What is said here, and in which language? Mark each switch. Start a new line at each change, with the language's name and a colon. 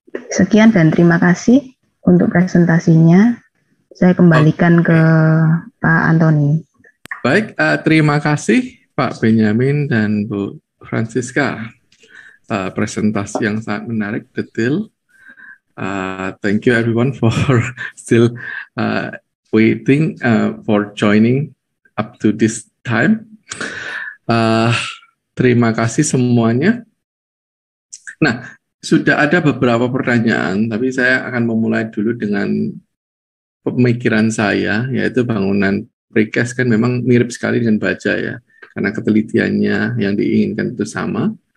Indonesian: Sekian dan terima kasih untuk presentasinya. Saya kembalikan ke Pak Antoni. Baik, terima kasih Pak Benyamin dan Bu Francisca. Presentasi yang sangat menarik, detail.
English: Thank you everyone for still waiting for joining up to this time.
Indonesian: Terima kasih semuanya. Nah, sudah ada beberapa pertanyaan, tapi saya akan memulai dulu dengan pemikiran saya, yaitu bangunan precast kan memang mirip sekali dengan baja ya, karena ketelitiannya yang diinginkan itu sama.